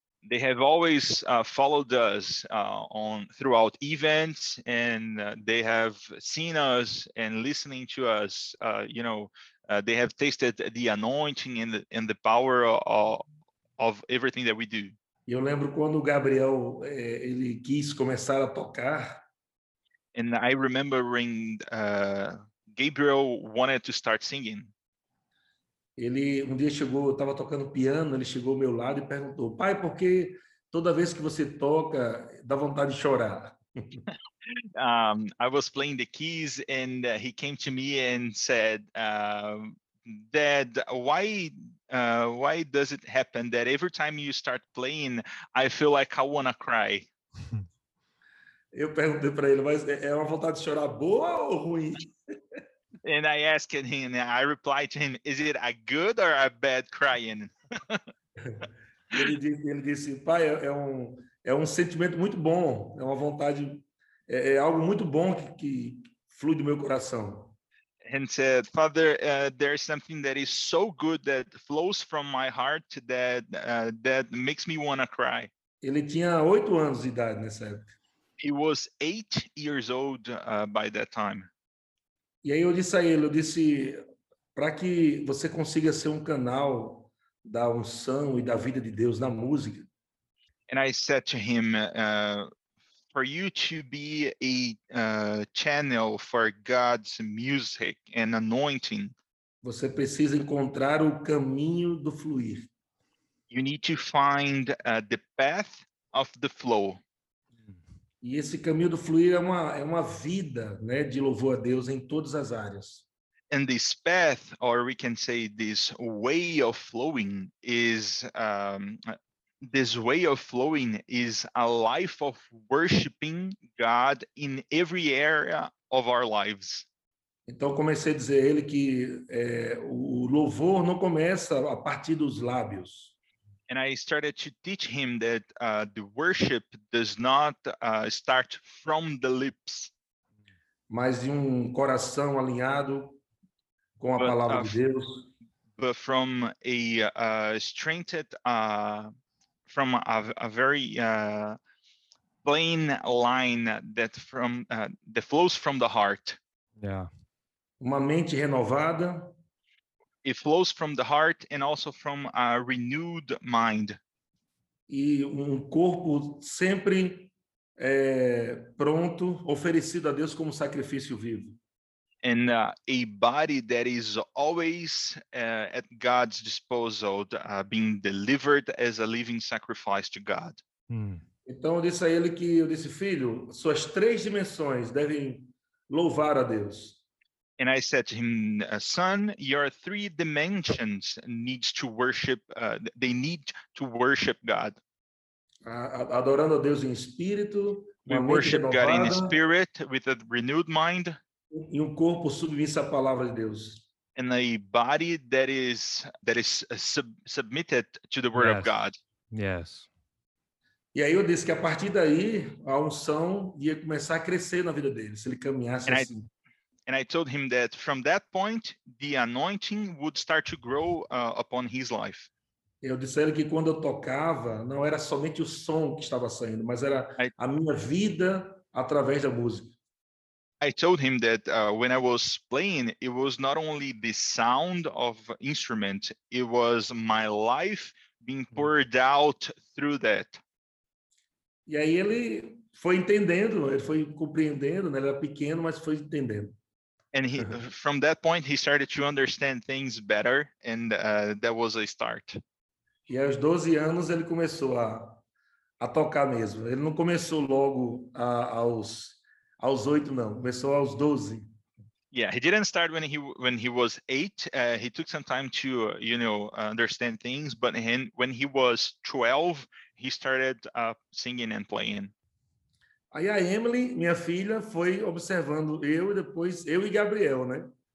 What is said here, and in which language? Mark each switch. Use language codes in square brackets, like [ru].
[en] They have always followed us throughout events and they have seen us and listening to us, they have tasted the anointing and the power of everything that we do. [pt] Eu lembro quando o Gabriel ele quis começar a tocar. [en] And I remember when Gabriel wanted to start singing. [pt] Ele um dia chegou, eu estava tocando piano, ele chegou ao meu lado e perguntou: "Pai, por que toda vez que você toca dá vontade de chorar?" [en] I was playing the keys and he came to me and said, "Dad, why does it happen that every time you start playing, I feel like I want to cry?" [pt] Eu perguntei para ele, mas é uma vontade de chorar boa ou ruim? [en] And I asked him, I replied to him, is it a good or a bad crying? [pt] ele disse, pai, é um sentimento muito bom, é uma vontade, é algo muito bom que flui do meu coração. [en] And said, Father, there is something that is so good that flows from my heart that makes me want to cry. [pt] Ele tinha 8 anos de idade nessa época. [en] He was 8 years old by that time. [pt] E aí eu disse, para que você consiga ser um canal da unção e da vida de Deus na música. [en] And I said to him, for you to be a channel for God's music and anointing, [pt] você precisa encontrar o caminho do fluir. [en] You need to find the path of the flow. [pt] E esse caminho do fluir é uma vida, né, de louvor a Deus em todas as áreas. [en] And this path, or we can say this way of flowing, is a life of worshiping God in every area of our lives. [pt] Então comecei a dizer a ele que o louvor não começa a partir dos lábios. [en] And I started to teach him that the worship does not start from the lips. [pt] Mas de coração alinhado com a palavra de Deus. [en] But from a strengthened, from a very plain line that from that flows from the heart. Yeah. [pt] Uma mente renovada. [en] It flows from the heart and also from a renewed mind. [pt] E corpo sempre pronto, oferecido a Deus como sacrifício vivo. [en] And a body that is always at God's disposal, being delivered as a living sacrifice to God. [pt] Então eu disse a ele que, eu disse, filho, suas três dimensões devem louvar a Deus. [en] And I said to him, son, your three dimensions needs to worship, they need to worship God. [pt] Adorando a Deus em espírito, [en] we worship God in spirit with a renewed mind. [pt] E corpo submisso à palavra de Deus. [en] And a body that is submitted to the word of God. Yes. [pt] E aí eu disse que a partir daí, a unção ia começar a crescer na vida dele, se ele caminhasse [en] and [pt] assim. [en] And I told him that from that point, the anointing would start to grow upon his life. [pt] Eu disse a ele que quando eu tocava, não era somente o som que estava saindo, mas era a minha vida através da música. [en] I told him that when I was playing, it was not only the sound of instrument, it was my life being poured out through that. [pt] E aí ele foi entendendo, ele foi compreendendo, né? Ele era pequeno, mas foi entendendo. [en] And he, from that point, he started to understand things better, and that was a start. [pt] E aos 12 anos ele começou a tocar mesmo. Ele não começou logo aos 8, não. Começou aos 12. [en] Yeah, he didn't start when he was 8. He took some time to, you know, understand things. But when he was 12, he started singing and playing. [pt] Aí a Emily, minha filha, foi observando eu e depois eu e Gabriel, né?